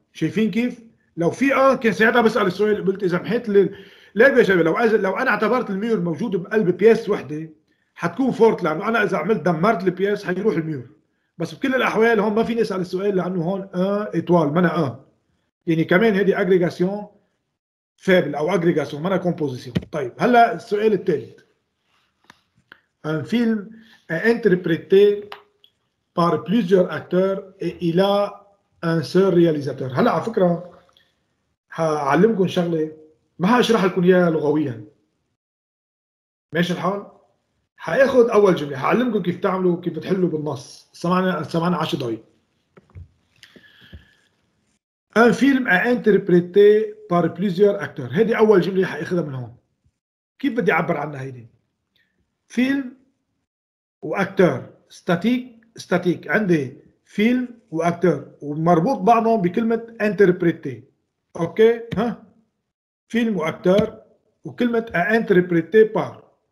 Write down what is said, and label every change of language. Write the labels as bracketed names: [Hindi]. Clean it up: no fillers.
[Arabic] شايفين كيف؟ لو في ان كان ساعتها بسال السؤال، قلت اذا محيت ليه يا شباب، لو انا اعتبرت المير موجود بقلب بياس وحده حتكون فورت، لانه انا اذا عملت دمرت البياس حيروح المير. بس بكل الاحوال هون ما في نسال السؤال، لانه هون ان ايطوال منها ان، يعني كمان هذه اجريجاسيون فابل او اجريجاسيون منها كومبوزيسيون. طيب هلا السؤال الثالث، ان فيلم انتربريتي [French] par plusieurs acteurs et il a un seul réalisateur. [Arabic] هلا على فكره هعلمكم شغله ما هشرح لكم اياها لغويا، ماشي الحال؟ هاخد اول جمله هعلمكم كيف تعملوا كيف تحلوا بالنص. سمعنا 10 دقائق. [French] Un film a interprété par plusieurs acteurs. [Arabic] هذه اول جمله هاخذها من هون. كيف بدي اعبر عنها هيدي؟ فيلم واكتر ستاتيك ستاتيك، عندي فيلم واكتر ومربوط بعضهم بكلمه انتربريتي. اوكي ها، فيلم واكتر وكلمه انتربريتي بار.